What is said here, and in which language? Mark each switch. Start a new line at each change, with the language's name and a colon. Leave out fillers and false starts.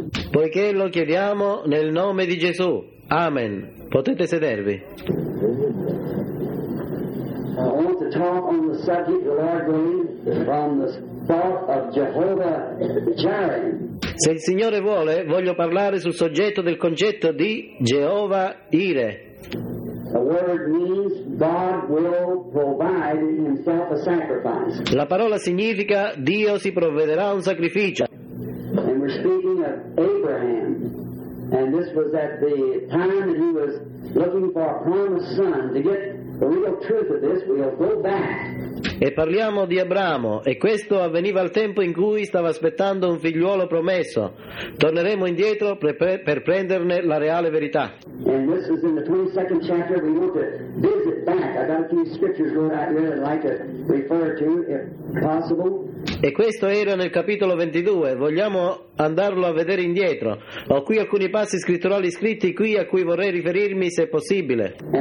Italian: Poiché lo chiediamo nel nome di Gesù. Amen. Potete sedervi.
English: I want to talk on the subject the Lord gave from the thought of Jehovah Jireh.
Italian: Se il Signore vuole, voglio parlare sul soggetto del concetto di Jehovah Ire.
English: The word means God will provide Himself a sacrifice.
Italian: La parola significa Dio si provvederà un sacrificio.
English: And we're speaking of Abraham, and this was at the time that he was looking for a promised son to get. The real truth of this, we'll go back.
Italian: E parliamo di Abramo, e questo avveniva al tempo in cui stava aspettando un figliuolo promesso. Torneremo indietro per prenderne la reale verità.
English: And this is in the 22nd chapter. We want to visit back. I got a few scriptures going out here that I'd like to refer to, if possible.
Italian: E questo era nel capitolo 22, vogliamo andarlo a vedere indietro. Ho qui alcuni passi scritturali scritti qui a cui vorrei riferirmi se possibile.